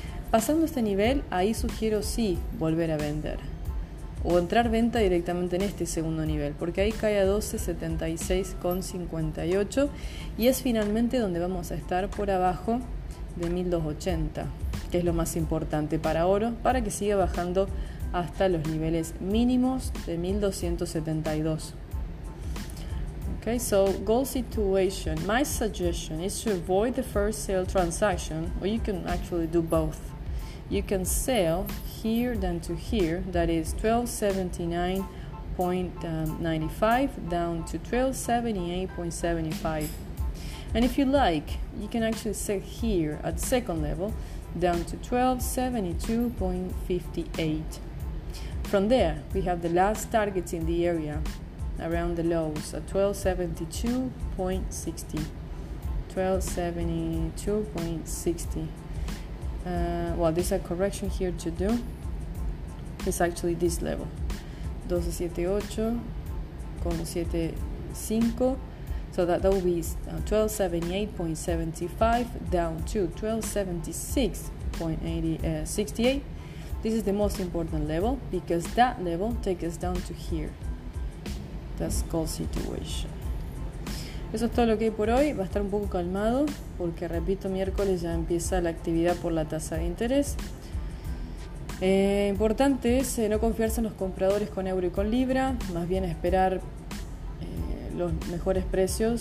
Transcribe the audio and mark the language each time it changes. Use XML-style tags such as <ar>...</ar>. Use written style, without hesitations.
<es>Pasando este nivel, ahí sugiero sí volver a vender o entrar venta directamente en este segundo nivel, porque ahí cae a 1276.58 y es finalmente donde vamos a estar, por abajo de 1280, que es lo más importante para oro, para que siga bajando hasta los niveles mínimos de 1272.</es> <en>Okay, so gold situation. My suggestion is to avoid the first sale transaction, or you can actually do both. You can sell here then to here, that is 1279.95 down to 1278.75. And if you like, you can actually sell here at second level down to 1272.58. From there, we have the last targets in the area around the lows at 1272.60. Well, there's a correction here to do. It's actually this level, 1278.75. So that will be 1278.75 down to 1276.68. This is the most important level because that level takes us down to here. That's called situation.</en> <es>Eso es todo lo que hay por hoy. Va a estar un poco calmado porque, repito, miércoles ya empieza la actividad por la tasa de interés. Importante es no confiarse en los compradores con euro y con libra, más bien esperar los mejores precios.</es>